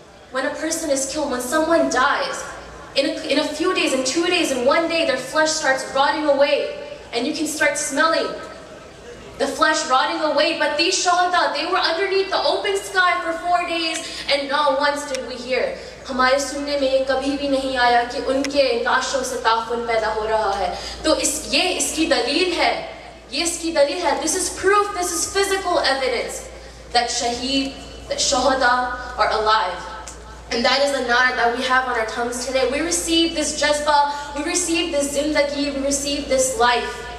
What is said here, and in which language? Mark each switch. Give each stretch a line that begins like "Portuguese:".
English: When a person is killed, when someone dies, in a few days, in 2 days, in 1 day, their flesh starts rotting away. And you can start smelling the flesh rotting away. But these shahada, they were underneath the open sky for 4 days, and not once did we hear.
Hindi: हमारे सुनने में ये कभी भी नहीं आया कि उनके नाशों से ताफुन पैदा हो रहा है. तो ये इसकी दलील है.
English: This is proof. This is physical evidence that shaheed, that shahada are alive. And that is the nara that we have on our tongues today. We receive this jazba, we receive this zindagi, we receive this life.